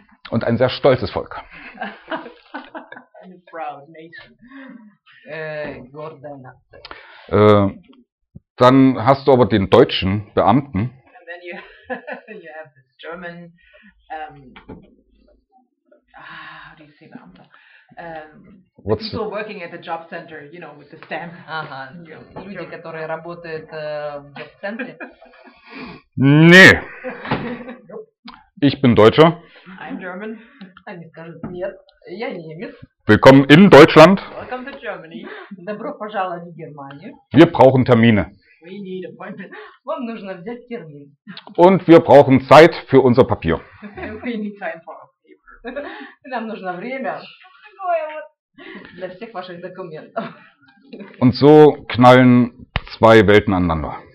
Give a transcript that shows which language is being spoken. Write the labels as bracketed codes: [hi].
[de] Und ein sehr stolzes Volk. [en] And a proud nation. [de] Gordana. Dann hast du aber den deutschen Beamten. [en] And then you, you have this German, how do you say that? What's people the... working at the job center, you know, with the stamp. [ru] Ага, [en] you know, [ru] люди, [en] German. [ru] Которые работают в job-центре. [de] Nee. Ich bin Deutscher. [en] I'm German. [ru] Они скажут, нет, я немец. [de] Willkommen in Deutschland. [en] Welcome to Germany. [ru] Добро пожаловать в Германию. [de] Wir brauchen Termine. [en] We need appointments. [ru] Вам нужно взять термин. [de] Und wir brauchen Zeit für unser Papier. [en] We need time for our paper. [ru] Нам нужно время для всех ваших документов. [de] Und so knallen zwei Welten aneinander.